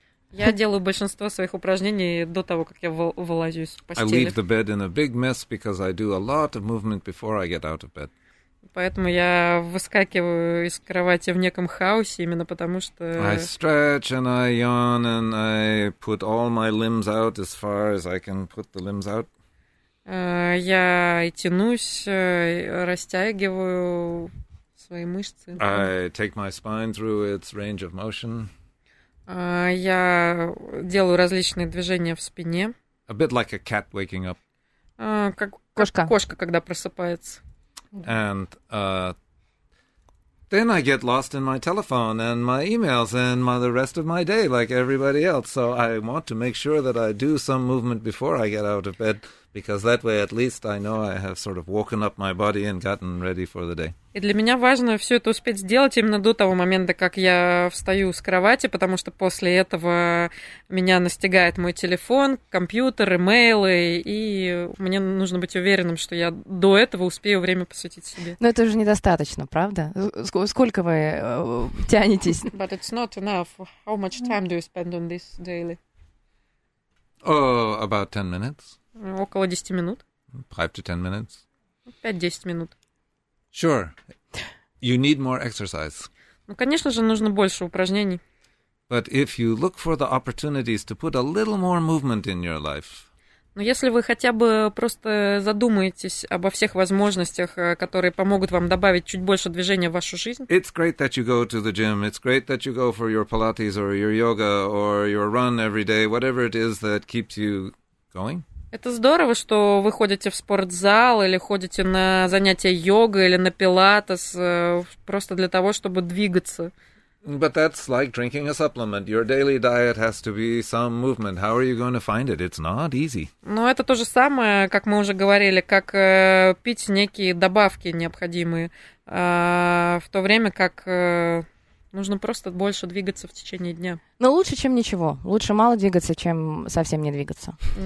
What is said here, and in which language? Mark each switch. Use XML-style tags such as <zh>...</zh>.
<ru>Я делаю большинство своих упражнений до того, как я вылазю из постели.</ru> <en>I leave the bed in a big mess because I do a lot of movement before I get out of bed.</en> <ru>Поэтому я выскакиваю из кровати в неком хаосе, именно потому что...</ru> <en>I stretch and I yawn and I put all my limbs out as far as I can put the limbs out.</en> <ru>Я и тянусь, и растягиваю свои мышцы.</ru> <en>I take my spine through its range of motion.</en> <ru>Я делаю различные движения в спине.</ru> <en>A bit like a cat waking up.</en> <ru>Кошка, когда просыпается.</ru> <en>And then I get lost in my telephone and my emails and the rest of my day like everybody else. So I want to make sure that I do some movement before I get out of bed, because that way at least I know I have sort of woken up my body and gotten ready for the day.</en> <ru>И для меня важно все это успеть сделать именно до того момента, как я встаю с кровати, потому что после этого меня настигает мой телефон, компьютер, имейлы, и мне нужно быть уверенным, что я до этого успею время посвятить себе. Но это же недостаточно, правда? Сколько вы тянетесь?</ru> <en>But it's not enough. How much time do you spend on this daily? Oh, about 10 minutes.</en> <ru>Около 10 минут.</ru> <en>5-10 minutes.</en> <ru>5-10 минут.</ru> <en>Sure. You need more exercise.</en> <ru>Ну, конечно же, нужно больше упражнений.</ru> <en>But if you look for the opportunities to put a little more movement in your life.</en> <ru>Но если вы хотя бы просто задумаетесь обо всех возможностях, которые помогут вам добавить чуть больше движения в вашу жизнь.</ru> <en>It's great that you go to the gym. It's great that you go for your Pilates or your yoga or your run every day, whatever it is that keeps you going.</en> <ru>Это здорово, что вы ходите в спортзал или ходите на занятия йогой или на пилатес просто для того, чтобы двигаться.</ru> <en>But that's like drinking a supplement. Your daily diet has to be some movement. How are you going to find it? It's not easy.</en> <ru>Ну, это то же самое, как мы уже говорили, как пить некие добавки необходимые, в то время как нужно просто больше двигаться в течение дня. Но лучше, чем ничего. Лучше мало двигаться, чем совсем не двигаться.</ru>